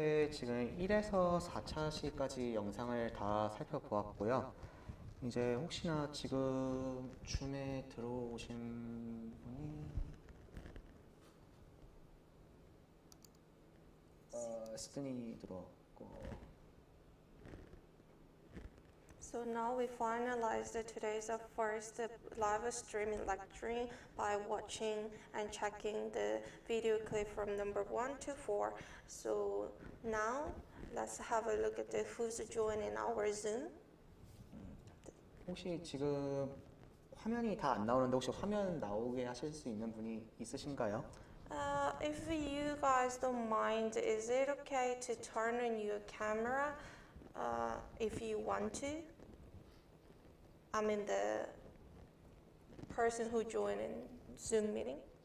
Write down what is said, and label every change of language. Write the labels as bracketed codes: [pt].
[ko] 지금 1에서 4차 시까지 영상을 다 살펴보았고요. 이제 혹시나 지금 줌에 들어오신 분이 스튼이 들어왔고. [en] So now we finalized today's first live streaming lecture by watching and checking the video clip from number 1 to 4. So now let's have a look at who's joining our Zoom. [ko] 혹시 지금 화면이 다 안 나오는데 혹시 화면 나오게 하실 수 있는 분이 있으신가요? [en] If you guys don't mind, is it okay to turn on your camera if you want to? I mean the person who joined in Zoom meeting.